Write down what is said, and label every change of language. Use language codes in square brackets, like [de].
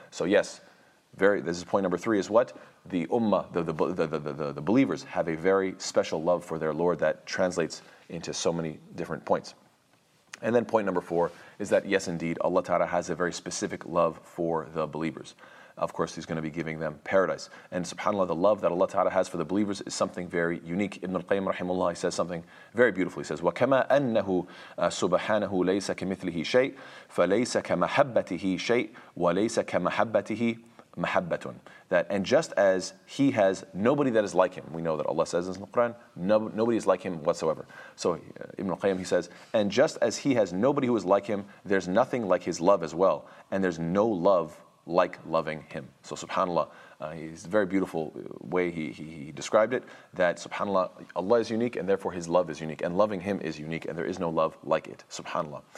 [en] So yes, this is point number three, is what? The ummah, the believers have a very special love for their Lord that translates into so many different points. And then point number four is that yes indeed, Allah Ta'ala has a very specific love for the believers. Of course, He's going to be giving them paradise. And subhanAllah, the love that Allah Ta'ala has for the believers is something very unique. Ibn al-Qayyim rahimahullah, he says something very beautiful. [ar] He says, وَكَمَا أَنَّهُ سُبْحَانَهُ لَيْسَ كَمِثْلِهِ شَيْءٍ فَلَيْسَ كَمَحَبَّتِهِ شَيْءٍ وَلَيْسَ كَمَحَبَّتِهِ مَحَبَّةٌ. [en] That, and just as He has nobody that is like Him, we know that Allah says in the Quran, nobody is like Him whatsoever. So Ibn al-Qayyim, he says, and just as He has nobody who is like Him, there's nothing like His love as well. And there's no love like loving Him. So subhanAllah, it's a very beautiful way he described it, that subhanAllah, Allah is unique and therefore His love is unique and loving Him is unique and there is no love like it, subhanAllah.